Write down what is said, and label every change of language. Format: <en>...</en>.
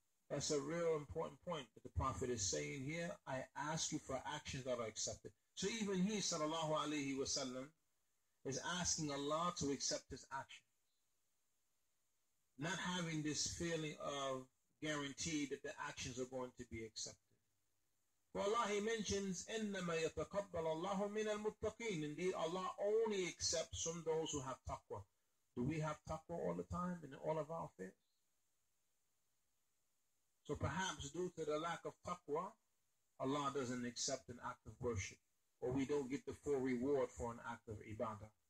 <en>That's a real important point that the Prophet is saying here. I ask you for actions that are accepted. So even he, sallallahu alayhi wa sallam, is asking Allah to accept his actions. Not having this feeling of guarantee that the actions are going to be accepted. Well, Allah, he mentions,</en> <ar>إِنَّمَا يَتَقَبَّلَ اللَّهُ مِنَ الْمُتَّقِينَ.</ar> <en>Indeed, Allah only accepts from those who have taqwa. Do we have taqwa all the time in all of our affairs? So perhaps due to the lack of taqwa, Allah doesn't accept an act of worship. Or we don't get the full reward for an act of ibadah.</en>